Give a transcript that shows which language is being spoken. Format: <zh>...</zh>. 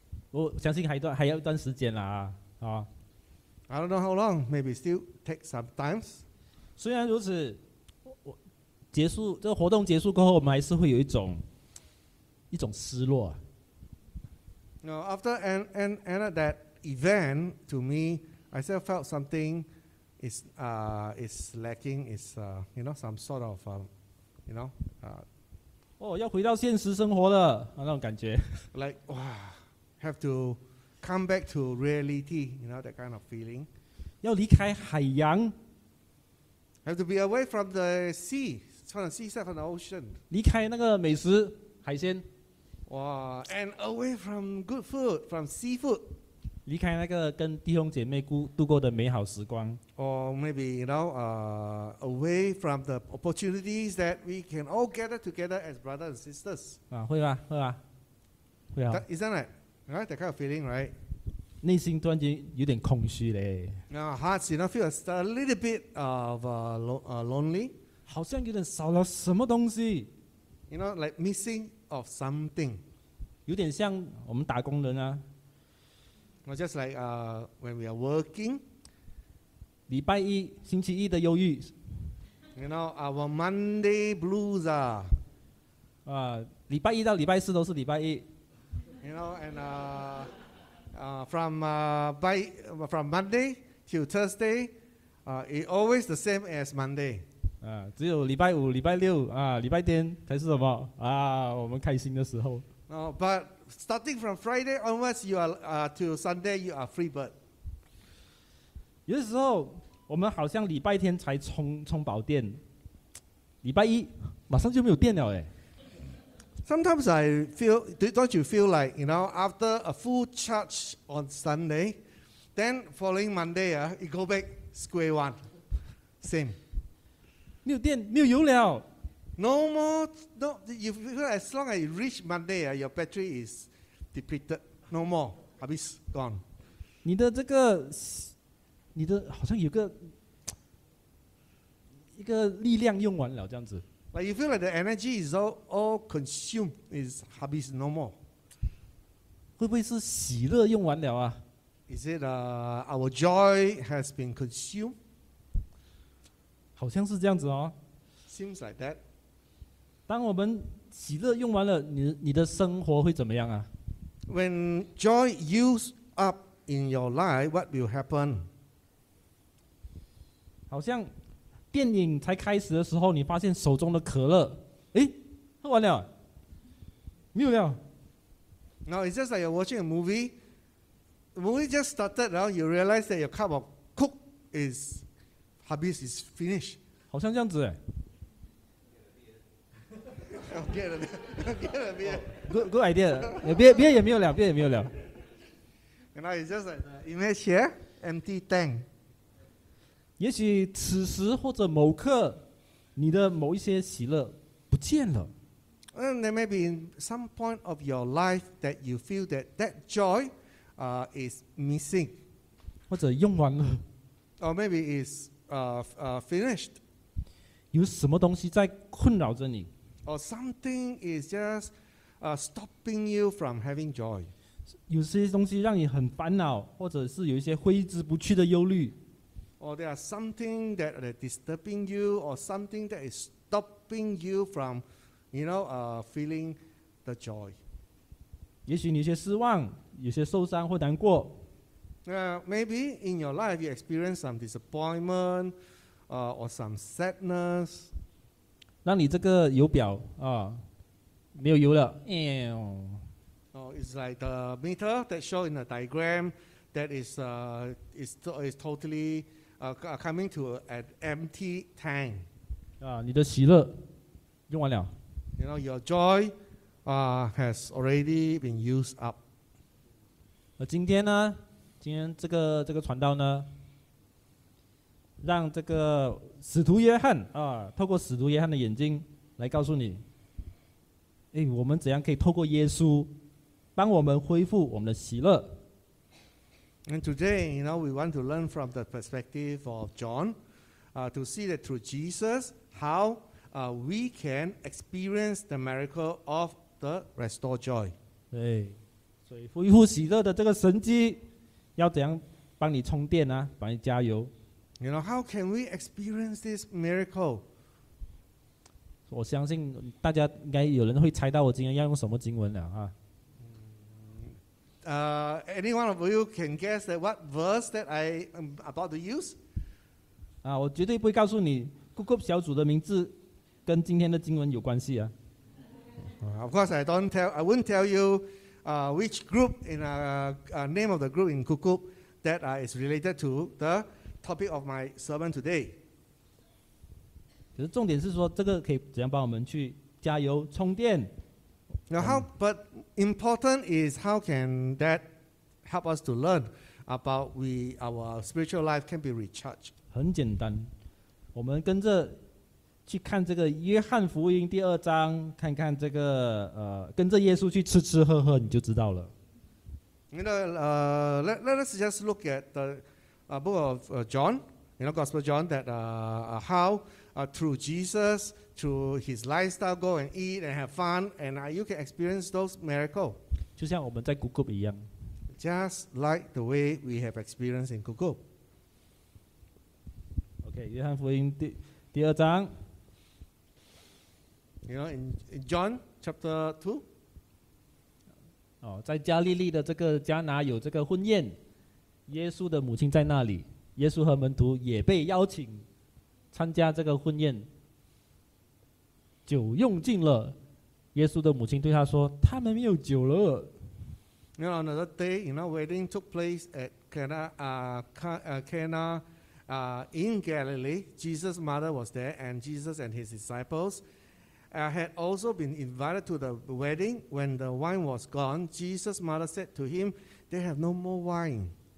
<zh>我相信还要一段时间啦，啊。</zh> <en>I don't know how long. Maybe still take some times.</en> <zh>虽然如此，我结束这个活动结束过后，我们还是会有一种失落。</zh> <en>Now after end of that event, to me, I still felt something is lacking. Is you know some sort of you know</en> <zh>要回到现实生活了、那种感觉。</zh> <en>Like, wow, have to come back to reality, you know, that kind of feeling.</en> <zh>要离开海洋。</zh> <en>Have to be away from the sea, from the seaside, from the ocean.</en> <zh>离开那个美食海鲜。</zh> <en>Wow, and away from good food, from seafood.</en> <zh>离开那个跟弟兄姐妹度过的美好时光。</zh> <en>Or maybe, you know, away from the opportunities that we can all gather together as brothers and sisters.</en> <zh>啊，会吧，会吧，会啊。</zh> <en>Isn't it? Right, that kind of feeling, right?</en> <zh>内心突然间有点空虚嘞。</zh> <en>Our hearts, you know, feel a little bit of lonely.</en> <zh>好像有点少了什么东西。</zh> <en>You know, like missing of something.</en> <zh>有点像我们打工人啊。</zh> <en>Well, just like when we are working.</en> <zh>礼拜一、星期一的忧郁。</zh> <en>You know, our Monday blues are.</en> <zh>礼拜一到礼拜四都是礼拜一。</zh> <en>You know, and from Monday to Thursday, it always the same as Monday.</en> <zh>只有礼拜五、礼拜六啊，礼拜天才是什么啊？我们开心的时候。</zh> <en>But starting from Friday onwards, you are to Sunday, you are free bird.</en> <zh>有的时候，我们好像礼拜天才充饱电，礼拜一马上就没有电了哎。</zh> <en>Sometimes I feel, don't you feel like, you know, after a full charge on Sunday, then following Monday, you go back square one. Same.</en> <zh>没有电，没有油了。</zh> <en>No more, no, you feel as long as you reach Monday, your battery is depleted. No more,</en> <zh>还没死,</zh> <en>gone.</en> <zh>你的这个，你的好像有个，一个力量用完了这样子。</zh> <en>But you feel like the energy is all consumed, is habits no more.</en> <zh>会不会是喜乐用完了啊？</zh> <en>Is it our joy has been consumed?</en> <zh>好像是这样子哦。</zh> <en>Seems like that.</en> <zh>当我们喜乐用完了，你的生活会怎么样啊？</zh> <en>When joy used up in your life, what will happen?</en> <zh>好像电影才开始的时候，你发现手中的可乐，哎，喝完了，没有了。</zh> <en>Now it's just like you're watching a movie. The movie just started, now you realize that your cup of coke is habis is finished.</en> <zh>好像这样子哎。</zh> <en>get a beer. Good idea.</en> <zh>有beer也没有了，beer也没有了。</zh> <en>And now it's just like the image here, empty tank.</en> <zh>也许此时或者某刻，你的某一些喜乐不见了。</zh> <en>And there may be some point of your life that you feel that that joy, is missing.</en> <zh>或者用完了。</zh> <en>Or maybe is finished.</en> <zh>有什么东西在困扰着你</zh> <en>？Or something is just stopping you from having joy.</en> <zh>有些东西让你很烦恼，或者是有一些挥之不去的忧虑。</zh> <en>Or there are something that are disturbing you, or something that is stopping you from, you know, feeling the joy.</en> <zh>也许你有些失望，有些受伤或难过。</zh> <en>Maybe in your life you experience some disappointment, or some sadness.</en> <zh>让你这个油表啊，没有油了。</zh> <en>Oh, it's like the meter that shows in the diagram that is totally. Coming to an empty tank.</en> <zh>你的喜乐用完了。</zh> <en>You know, your joy, has already been used up.</en> <zh>今天呢，今天这个传道呢，让这个使徒约翰透过使徒约翰的眼睛来告诉你，我们怎样可以透过耶稣帮我们恢复我们的喜乐。</zh> <en>And today, you know, we want to learn from the perspective of John, to see that through Jesus, how we can experience the miracle of the restored joy.</en> <zh>对，所以恢复喜乐的这个神迹，要怎样帮你充电啊？帮你加油。</zh> <en>You know, how can we experience this miracle?</en> <zh>我相信大家应该有人会猜到我今天要用什么经文了啊。</zh> <en>Any one of you can guess that what verse that I am about to use?</en> <zh>我绝对不会告诉你 Google 小组的名字跟今天的经文有关系啊。</zh> <en>Of course, I won't tell you which group in name of the group in Kukup that is related to the topic of my sermon today.</en> <zh>可是重点是说，这个可以怎样帮我们去加油充电？</zh> <en>Now how, but important is how can that help us to learn about we our spiritual life can be recharged?</en> <zh>很简单，我们跟着去看这个约翰福音第二章，看看这个跟着耶稣去吃吃喝喝，你就知道了。</zh> <en>You know, let us just look at the book of John, you know, Gospel John, that how through Jesus, through his lifestyle, go and eat and have fun, and you can experience those miracles.</en> <zh>就像我们在 Kukup 一样。</zh> <en>Just like the way we have experienced in Kukup.</en> <zh>Okay, 约翰福音第二章。</zh> <en>You know, in John chapter 2.</en> <zh>在加利利的这个迦拿有这个婚宴，耶稣的母亲在那里，耶稣和门徒也被邀请参加这个婚宴，酒用尽了，耶稣的母亲对他说，他们没有酒了。</zh> <en>You know, another day, you know, wedding took place at Cana, Cana, in Galilee. Jesus' mother was there, and Jesus and his disciples had also been invited to the wedding. When the wine was gone, Jesus' mother said to him, they have no more wine.</en>